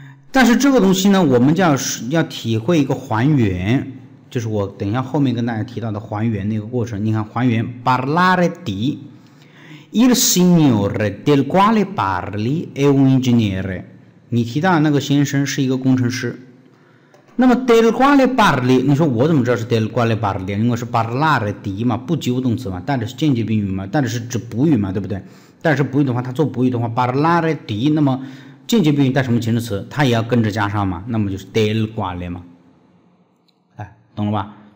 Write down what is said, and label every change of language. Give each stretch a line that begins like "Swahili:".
Chinese: 但是这个东西呢，我们就要体会一个还原，就是我等一下后面跟大家提到的还原那个过程。你看，还原
Italian: parlare di il signore del quale parli è un ingegnere，
Chinese: 你提到的那个先生是一个工程师。那么
Italian: del quale parli，
Chinese: 你说我怎么知道是 del quale parli？因为是 parlare di 嘛，不及物动词嘛，带着是间接宾语嘛，带着是指补语嘛，对不对？带着是补语的话，他做补语的话 parlare di， 那么间接宾语带什么前置词它也要跟着加上嘛，那么就是 del quale 嘛、哎、懂了吧。